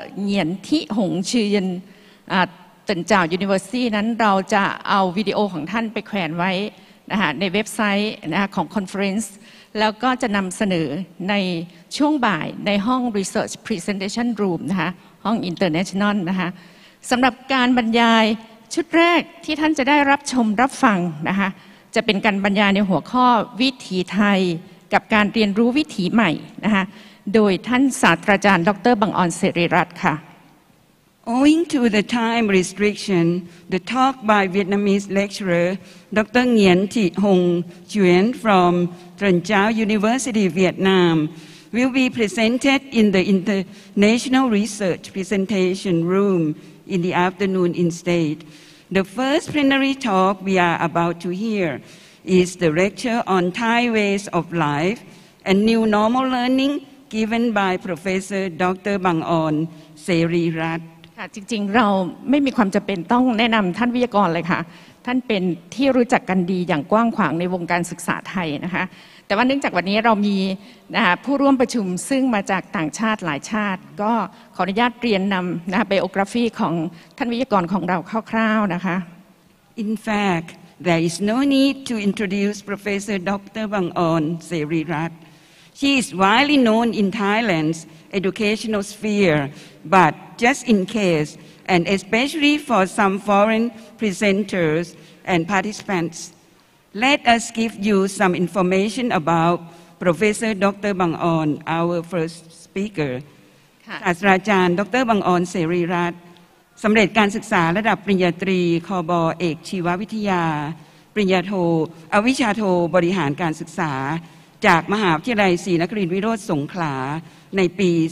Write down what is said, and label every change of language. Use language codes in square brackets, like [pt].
[th] เหงียนทิหงชื่นตันจ่าวยูนิเวอร์ซิตี้นั้นเราจะเอาวิดีโอของท่านไปแขวนไว้นะคะในเว็บไซต์นะคะของคอนเฟอเรนซ์แล้วก็จะนำเสนอในช่วงบ่ายในห้อง Research Presentation Room นะคะห้อง International นะคะสำหรับการบรรยายชุดแรกที่ท่านจะได้รับชมรับฟังนะคะจะเป็นการบรรยายในหัวข้อวิถีไทยกับการเรียนรู้วิถีใหม่นะคะโดยท่านศาสตราจารย์ดร. บังออนศิริรัตน์ค่ะ [en] Owing to the time restriction the talk by Vietnamese lecturer Dr. Nguyen Thi Hong Chuyen from Trần Trào University Vietnam will be presented in the International Research Presentation Room in the afternoon instead. The first plenary talk we are about to hear is the lecture on Thai ways of life and new normal learning given by Professor Dr. Bang On Serirat. [th] จริงๆเราไม่มีความจำเป็นต้องแนะนำท่านวิทยากรเลยค่ะท่านเป็นที่รู้จักกันดีอย่างกว้างขวางในวงการศึกษาไทยนะคะแต่ว่าเนื่องจากวันนี้เรามีผู้ร่วมประชุมซึ่งมาจากต่างชาติหลายชาติก็ขออนุญาตเรียนนำนะคะไบโอกราฟีของท่านวิทยากรของเราคร่าวๆนะคะ [en] In fact there is no need to introduce Professor Dr. Bang On Serirat She is widely known in Thailand's educational sphere but just in case and especially for some foreign presenters and participantsLet us give you some information about Professor Dr. Bang On, our first speaker. [th] ศาสตราจารย์ดร. บังออนศิริรัตน์สำเร็จการศึกษาระดับปริญญาตรีคบ. เอกชีววิทยาปริญญาโทอวิชชาโทบริหารการศึกษาจากมหาวิทยาลัยศรีนครินทรวิโรฒสงขลาในปี